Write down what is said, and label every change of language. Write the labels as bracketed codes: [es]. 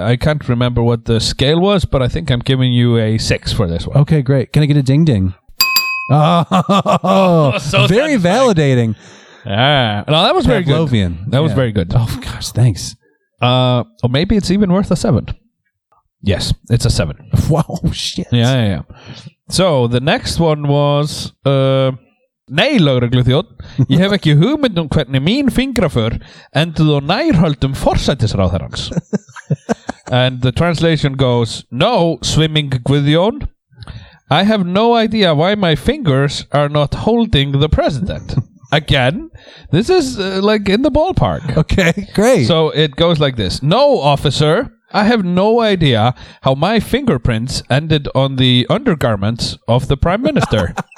[en] I can't remember what the scale was, but I think I'm giving you a 6 for this one. Okay, great. Can I get a ding-ding? Oh, so very satisfying. Validating. Yeah. No, that was Pavlovian. Very good. That was very good. Oh, gosh, thanks. Or maybe it's even worth a 7. Yes, it's a 7. Whoa, shit. Yeah. So the next one was, [is] Nei, lögregluþjónn, ég hef ekki hugmynd hvernig mín fingraför endið á nærhöldum forsætisráðherrans. [en] And the translation goes, no, swimming Guðjón. I have no idea why my fingers are not holding the president. Again, this is like in the ballpark. Okay, great. So it goes like this. No, officer, I have no idea how my fingerprints ended on the undergarments of the prime minister.